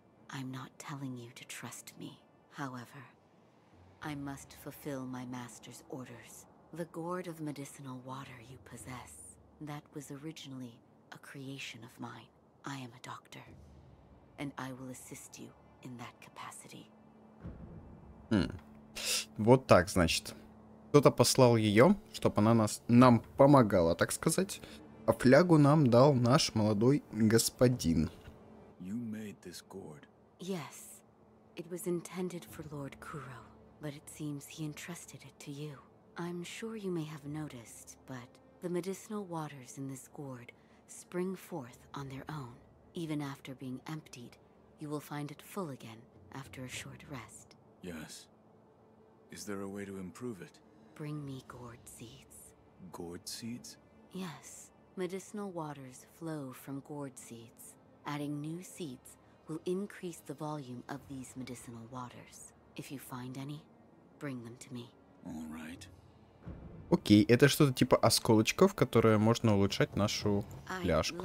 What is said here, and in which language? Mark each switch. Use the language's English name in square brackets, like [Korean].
[English] I'm not telling you to trust me. However, I must fulfill my master's orders. The gourd of medicinal water you possess, that was originally a creation of mine. I am a doctor, and I will assist you in that capacity. [Russian] Вот так, значит. Кто-то послал ее, чтобы она нам помогала, так сказать. А флягу нам дал наш молодой господин. [English] You made this gourd. Yes, it was intended for Lord Kuro, but it seems he entrusted it to you. I'm sure you may have noticed, but the medicinal waters in this gourd spring forth on their own. Even after being emptied, you will find it full again after a short rest. Yes. Is there a way to improve it? Bring me gourd seeds. Gourd seeds? Yes. Medicinal waters flow from gourd seeds. Adding new seeds will increase the volume of these medicinal waters. If you find any, bring them to me. All right. [Russian] Окей, это что-то типа осколочков, которые можно улучшать нашу фляжку.